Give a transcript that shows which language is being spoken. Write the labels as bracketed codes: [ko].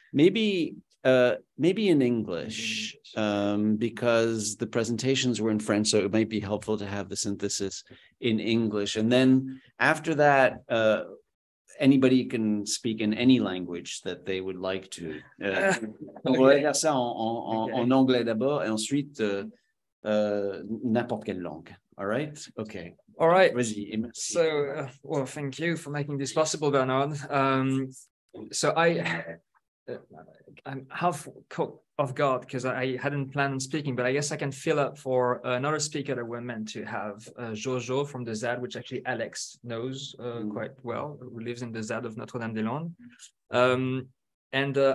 [en] Maybe in English, because the presentations were in French, so it might be helpful to have the synthesis in English. And then after that, anybody can speak in any language that they would like to. [fr] On va faire ça en anglais d'abord, et ensuite n'importe quelle langue. [en] All right? Okay. All right. [fr] Vas-y. [en] So, well, thank you for making this possible, Bernard. I'm half caught off guard because I hadn't planned on speaking, but I guess I can fill up for another speaker that we're meant to have, Jojo from the ZAD, which actually Alex knows quite well, who lives in the ZAD of Notre-Dame-des-Landes.